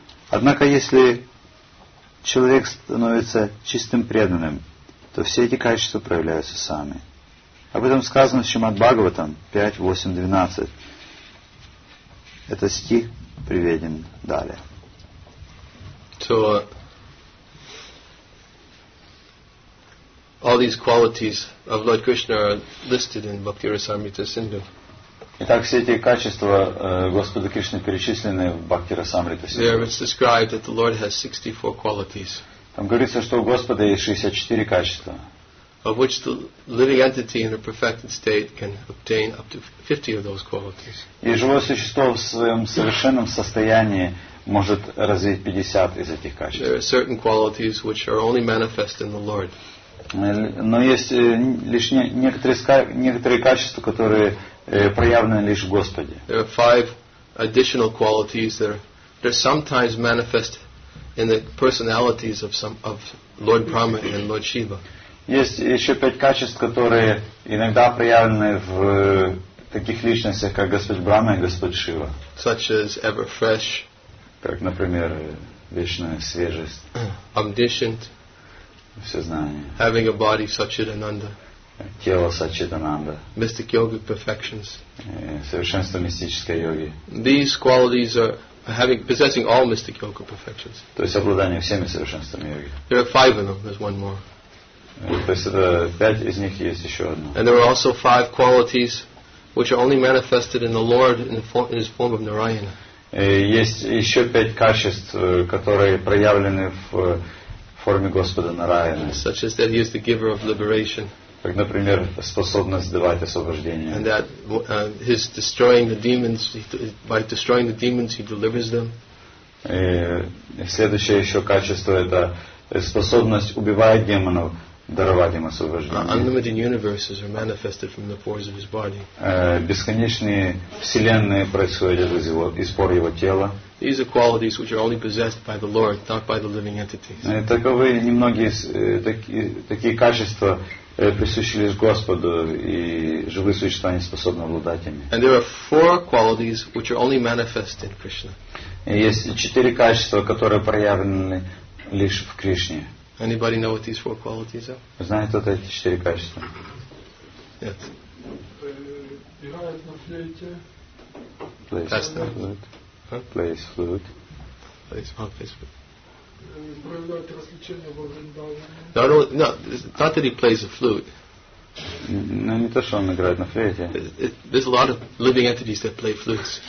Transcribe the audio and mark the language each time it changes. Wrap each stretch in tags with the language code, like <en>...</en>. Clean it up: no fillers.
<ru>Однако если человек становится чистым преданным, то все эти качества проявляются сами. Об этом сказано в Шримад-Бхагаватам 5.8.12. Этот стих приведен далее.</ru> <en>So, all these qualities of Lord Krishna are listed in Bhakti-rasamrita Sindhu.</en> <ru>Итак, все эти качества Господа Кришны перечислены в Бхакти-расамрита Синдху.</ru> <en>There it's described that the Lord has 64 qualities.</en> <ru>Там говорится, что у Господа есть 64 качества.</ru> <en>Of which the living entity in a perfected state can obtain up to 50 of those qualities.</en> <ru>И живое существо в своем совершенном состоянии может развить 50 из этих качеств.</ru> <en>There are certain qualities which are only manifest in the Lord.</en> <ru>Но есть лишь некоторые качества, которые проявлены лишь в Господе.</ru> <en>There are five additional qualities that are sometimes manifest in the personalities of some of Lord Brahma and Lord Shiva.</en> <ru>Есть еще пять качеств, которые иногда проявлены в таких личностях, как Господь Брама и Господь Шива.</ru> <en>Such as ever fresh.</en> <ru>Как, например, вечная свежесть.</ru> <en>Omniscient.</en> <ru>Всезнание.</ru> <en>Having a body such as Ananda.</en> <ru>Тело Сачидананда.</ru> <en>Mystic yogic perfections.</en> <ru>Совершенство мистической йоги.</ru> <en>These qualities are having, possessing all mystic yoga perfections.</en> <ru>То есть обладание всеми совершенствами йоги.</ru> <en>There are five of them. There's one more.</en> <ru>То есть это пять из них есть еще одно.</ru> <en>And there are also five qualities which are only manifested in the Lord in his form of Narayana.</en> <ru>Есть еще пять качеств, которые проявлены в форме Господа Нараяны.</ru> <en>Such as that he is the giver of liberation.</en> <ru>Как, например, способность давать освобождение.</ru> <en>And that his destroying the demons, by destroying the demons, he delivers them.</en> <ru>И следующее еще качество это способность убивать демонов.</ru> <en>Unlimited universes are manifested from the pores of his body.</en> <ru>Бесконечные вселенные происходят из его из пор его тела.</ru> <en>These are qualities which are only possessed by the Lord, not by the living entities.</en> <ru>Таковы немногие такие качества присущи лишь Господу, и живые существа не способны обладать ими.</ru> <en>And there are four qualities which are only manifest in Krishna.</en> <ru>Есть четыре качества, которые проявлены лишь в Кришне.</ru> <en>Anybody know what these four qualities are?</en> <ru>Знает кто-то эти четыре качества? Нет. Играет на флейте.</ru> <en>Plays flute. Plays flute. Plays what? Plays flute.</en> <ru>Проявляет развлечения во Вриндаване.</ru> <en>No, not that he plays a flute.</en> <ru>Но не то, что он играет на флейте.</ru> <en>There's a lot of living entities that play flutes.</en>